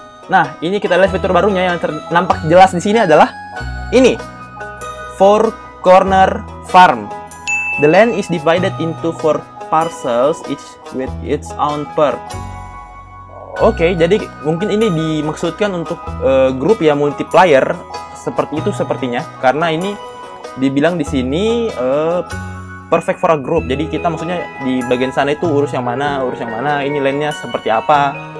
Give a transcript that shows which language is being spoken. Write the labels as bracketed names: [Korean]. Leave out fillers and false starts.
[Indonesian] Nah, ini kita lihat fitur barunya yang nampak jelas di sini adalah ini. [English] Four corner farm. The land is divided into four parcels each with its own perk. [Indonesian] Okay, jadi mungkin ini dimaksudkan untuk grup ya, multiplayer seperti itu sepertinya, karena ini dibilang di sini [English] perfect for a group. [Indonesian] Jadi kita maksudnya di bagian sana itu urus yang mana, ini lane-nya seperti apa.